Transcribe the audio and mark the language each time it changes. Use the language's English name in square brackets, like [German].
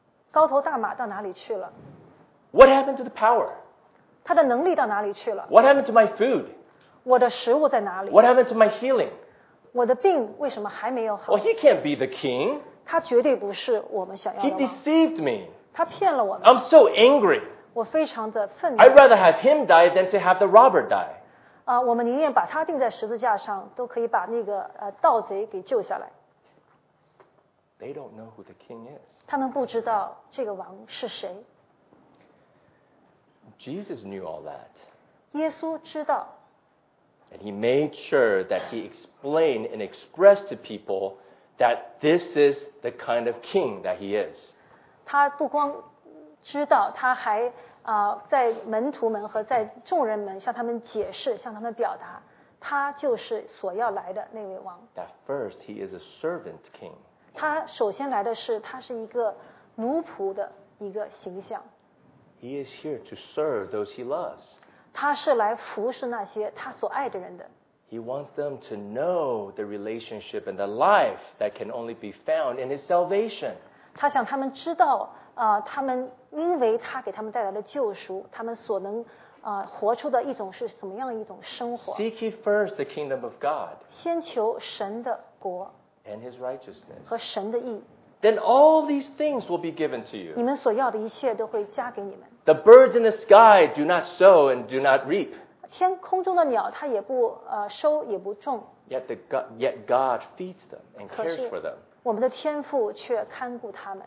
[Chinese] 高头大马到哪里去了 [English] What happened to the power? [Chinese] 他的能力到哪里去了 [English] What happened to my food? [Chinese] 我的食物在哪里 [English] What happened to my healing? [Chinese] 我的病为什么还没有好 [English] Well, he can't be the king. [Chinese] 他绝对不是我们想要的王。 [English] He deceived me. [Chinese] 他骗了我们。 [English] I'm so angry. [Chinese] 我非常的愤怒。 [English] I'd rather have him die than to have the robber die. [Chinese] 我们宁愿把他钉在十字架上，都可以把那个盗贼给救下来。 [English] They don't know who the king is. [Chinese] 他们不知道这个王是谁。 [English] Jesus knew all that. [Chinese] 耶稣知道。 [English] And he made sure that he explained and expressed to people that this is the kind of king that he is. [Chinese] 他不光知道，他还在门徒们和在众人们向他们解释，向他们表达，他就是所要来的那位王。 [English] That first, he is a servant king. [Chinese] 他首先来的是，他是一个奴仆的一个形象。 [English] He is here to serve those he loves. [Chinese] 他是来服侍那些他所爱的人的。 [English] He wants them to know the relationship and the life that can only be found in his salvation. [Chinese] 他想他们知道他们因为他给他们带来的救赎他们所能活出的一种是什么样一种生活 [English] Seek ye first the kingdom of God [Chinese] 先求神的国 [English] and his righteousness [Chinese] 和神的义 [English] Then all these things will be given to you [Chinese] 你们所要的一切都会加给你们 [English] The birds in the sky do not sow and do not reap [Chinese] 天空中的鸟它也不收也不种 [English] yet God feeds them and cares for them [Chinese] 我们的天父却看顾他们。